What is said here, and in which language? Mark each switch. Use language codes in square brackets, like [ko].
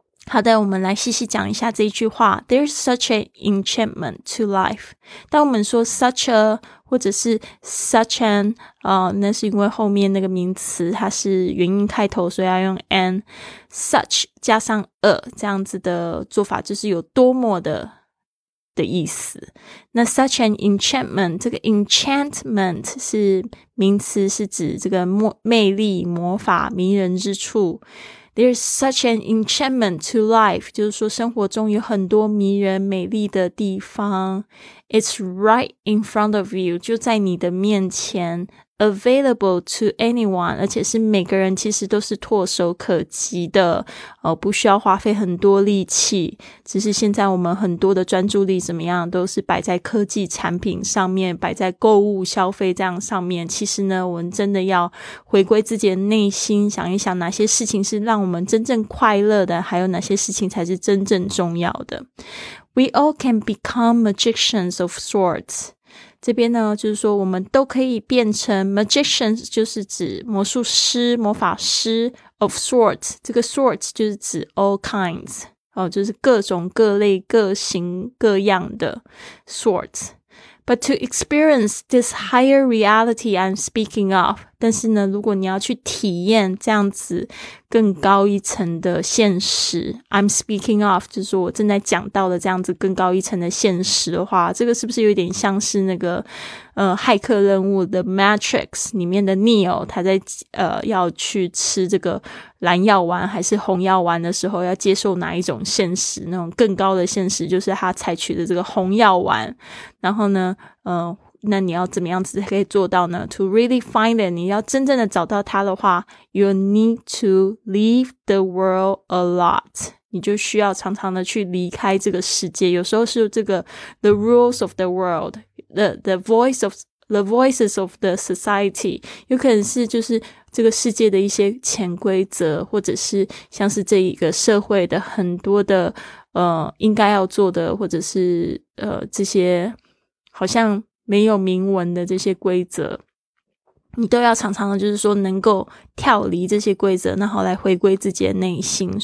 [zh] 好的，我们来细细讲一下这一句话。 [en] There's such an enchantment to life， [zh] 当我们说 such a 或者是 such an 那是因为后面那个名词它是元音开头，所以要用 an， such 加上 a 这样子的做法就是有多么的意思。那 [en] such an enchantment， [zh] 这个 enchantment 是名词，是指这个魅力魔法迷人之处。 [en] There's such an enchantment to life. [zh] 就是说生活中有很多迷人美丽的地方。 [en] It's right in front of you. [zh] 就在你的面前。 [en] Available to anyone. [zh] 而且是每个人其实都是唾手可及的。不需要花费很多力气。只是现在我们很多的专注力怎么样都是摆在科技产品上面，摆在购物消费这样上面。其实呢，我们真的要回归自己的内心，想一想哪些事情是让我们真正快乐的，还有哪些事情才是真正重要的。 [en] We all can become magicians of sorts. [zh] 这边呢，就是说我们都可以变成 magicians， 就是指魔术师、魔法师 [en] of sorts. [zh] 这个 sorts 就是指 [en] all kinds， [zh] 哦，就是各种各类、各型各样的 sorts. [en] But to experience this higher reality I'm speaking of, [zh] 但是呢，如果你要去体验这样子更高一层的现实 [en] I'm speaking of, [zh] 就是我正在讲到的这样子更高一层的现实的话，这个是不是有点像是那个骇客任务 The Matrix 里面的 Neo 他在要去吃这个蓝药丸还是红药丸的时候要接受哪一种现实，那种更高的现实就是他采取的这个红药丸。然后呢那你要怎么样子可以做到呢？ [en] To really find it, [zh] 你要真正的找到它的话， [en] You need to leave the world a lot. [zh] 你就需要常常的去离开这个世界。有时候是这个 [en] The rules of the world, the voices of the society, [zh] 有可能是就是这个世界的一些潜规则，或者是像是这一个社会的很多的应该要做的，或者是这些好像没有明文的这些规则，你都要常常的就是说能够跳离这些规则，然后来回归自己的内心。